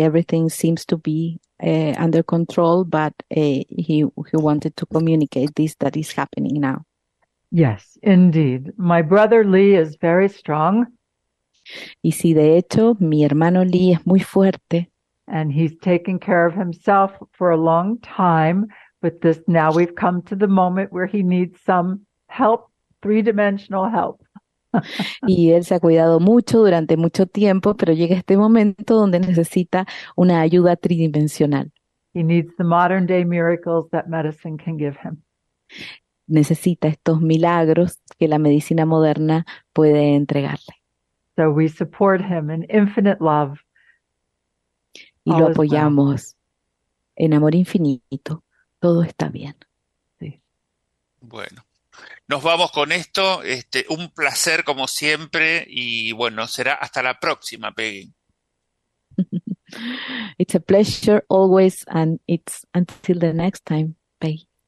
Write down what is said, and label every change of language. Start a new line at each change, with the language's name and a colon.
English: Everything seems to be under control, but he wanted to communicate this that is happening now. Yes, indeed. My brother Lee is very strong.
Spanish: Y sí, de hecho, mi hermano Lee es muy fuerte.
English: And he's taken care of himself for a long time, but this now we've come to the moment where he needs some help, three-dimensional help.
Spanish: Y él se ha cuidado mucho durante mucho tiempo, pero llega este momento donde necesita una ayuda tridimensional.
English: He needs the modern day miracles that medicine can give him.
Spanish: Necesita estos milagros que la medicina moderna puede entregarle.
English: So we support him in infinite love.
Spanish: Y lo apoyamos en amor infinito. Todo está bien. Sí. Bueno. Nos vamos con esto, un placer como siempre y bueno, será hasta la próxima, Peggy.
English: It's a pleasure always and it's until the next time, Peggy.